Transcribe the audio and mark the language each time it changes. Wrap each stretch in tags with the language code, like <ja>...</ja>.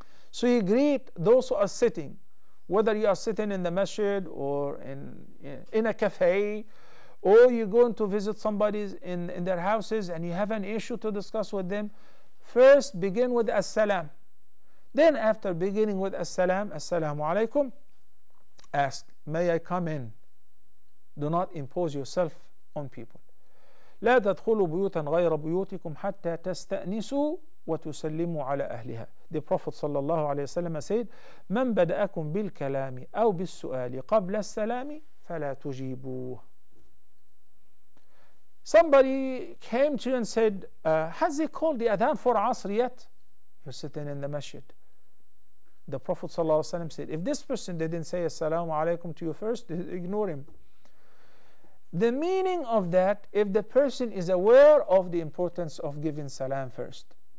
<en>So he greet those who are sitting, whether you are sitting in the masjid or in a cafe, or you're going to visit somebody in their houses and you have an issue to discuss with them, first begin with as-salam. Then after beginning with as-salam, assalamu alaikum, ask, "May I come in?" Do not impose yourself on people.</en> <ar>لا تدخلوا بيوتا غير بيوتكم حتى تستأنسوا وتسلموا على أهلها.</ar> <en>The Prophet</en> <ar>صلى الله عليه وسلم</ar> <en>said,</en> <ar>من بدأكم بالكلام أو بالسؤال قبل السلام فلا تجيبوه.</ar> <en>Somebody came to you and said, "Has he called the Adhan for Asr yet?" You're sitting in the masjid. The Prophet</en> <ar>صلى الله عليه وسلم</ar> <en>said, if this person didn't say</en> <ar>السلام عليكم</ar> <en>to you first, ignore him. The meaning of that, if the person is aware of the importance of giving salam first.</en>